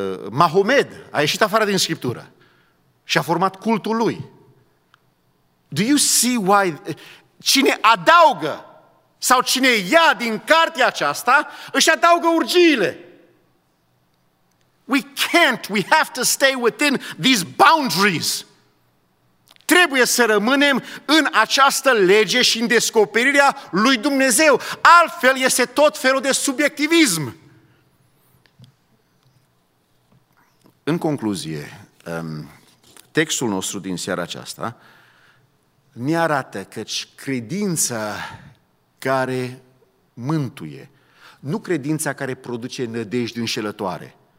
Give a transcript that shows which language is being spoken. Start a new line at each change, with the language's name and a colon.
Romanian: Mahomed a ieșit afară din Scriptură și a format cultul lui.
English: Do you see why?
Romanian: Cine adaugă sau cine ia din cartea aceasta, își adaugă urgiile.
English: We can't, we have to stay within these boundaries.
Romanian: Trebuie să rămânem în această lege și în descoperirea lui Dumnezeu. Altfel este tot felul de subiectivism. În concluzie, textul nostru din seara aceasta ne arată căci credința care mântuie, nu credința care produce nădejdi înșelătoare.